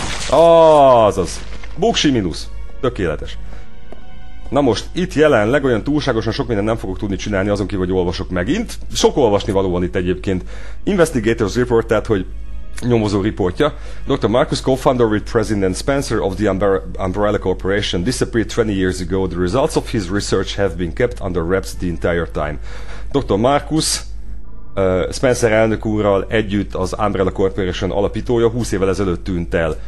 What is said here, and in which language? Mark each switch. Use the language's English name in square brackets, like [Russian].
[Hungarian] Azaz! Buksi mínusz! Tökéletes! Na most, itt jelenleg olyan túlságosan sok mindent nem fogok tudni csinálni, azon kívül, hogy olvasok megint. Sok olvasni való van itt egyébként. [English] Investigators report, [Hungarian] tehát, hogy nyomozó riportja. [English] Dr. Marcus, co-founder with President Spencer of the Umbrella Corporation, disappeared 20 years ago. The results of his research have been kept under wraps the entire time. [Hungarian] Dr. Marcus, Spencer elnök úrral együtt az Umbrella Corporation alapítója 20 évvel ezelőtt tűnt el.